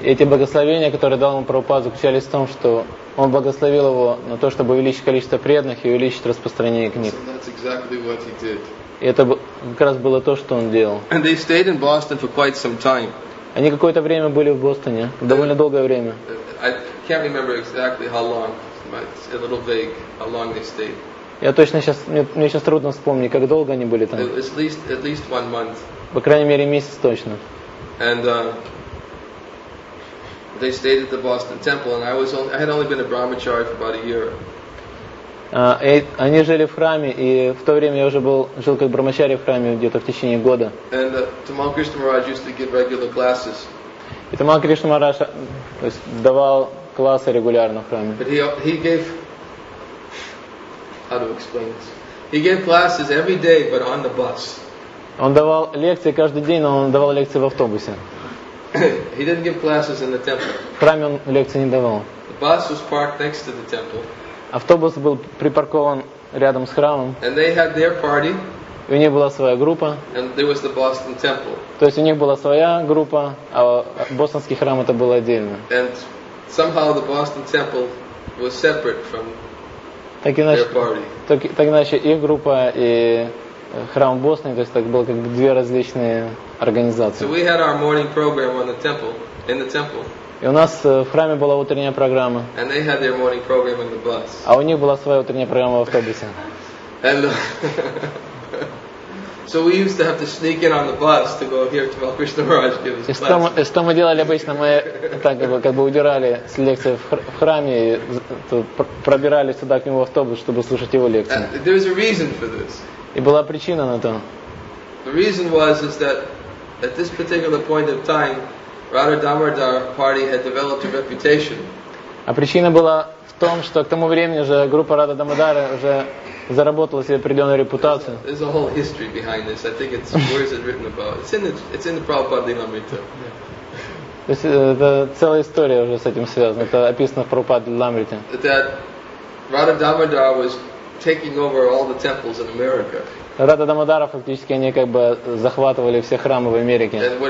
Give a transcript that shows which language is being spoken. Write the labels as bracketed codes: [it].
[ru] Эти благословения, которые дал ему Прабхупада, заключались в том, что он благословил его на то, чтобы увеличить количество преданных и увеличить распространение книг. [en] So that's exactly what he did. [ru] И это как раз было то, что он делал. [en] And they stayed in Boston for quite some time. [ru] Они какое-то время были в Бостоне, довольно долгое время. [en] I can't remember exactly how long, it's a little vague how long they stayed. [ru] Я точно сейчас, мне сейчас трудно вспомнить, как долго они были там. [en] At least one month. [ru] По крайней мере, месяц точно. [en] And they stayed at the Boston Temple, and I had only been a brahmachari for about a year. [ru] Они жили в храме, и в то время я уже был жил как брахмачари в храме где-то в течение года. [en] And Тамал Кришна Мараш used to give regular classes. [ru] И Тамал Кришна Мараш давал классы регулярно в храме. [en] But he gave, how to explain this? He gave classes every day, but on the bus. [ru] Он давал лекции каждый день, но он давал лекции в автобусе. [en] He didn't give classes in the temple. [ru] В храме он лекции не давал. [en] The bus was parked next to the temple. [ru] Автобус был припаркован рядом с храмом. [en] And they had their party. [ru] И у них была своя группа. [en] And there was the Boston Temple. [ru] То есть у них была своя группа, а бостонский храм это было отдельно. [en] And somehow the Boston Temple was separate from their party. [ru] Так иначе их группа и храм в Бостоне, то есть так было как бы две различные организации. [en] So we had our morning program on the temple, in the temple. [ru] И у нас в храме была утренняя программа. [en] And they had their morning program on the bus. [ru] А у них была своя утренняя программа в автобусе. [en] And, so we used to have to sneak in on the bus to go here to Tamal Krishna Maharaj give his class. [ru] Что мы делали обычно? Мы так как бы удирали с лекции в храме и пробирались сюда к нему в автобус, чтобы слушать его лекции. [en] There was a reason for this. [ru] И была причина на то. [en] The reason was is that at this particular point of time, Radha Damodar party had developed a reputation. [ru] А причина была в том, что к тому времени уже группа Радха Дамодара уже заработала себе определенную репутацию. [en] There's a whole history behind this. I think it's written about. It's in the Prabhupada Lilamrita. [ru] То есть это целая история уже с этим связана. Это описано в Прабхупада Лиламрите. [en] That Radha Damodar was taking over all the temples in America. [ru] Рада Дамодара фактически они как бы захватывали все храмы в Америке.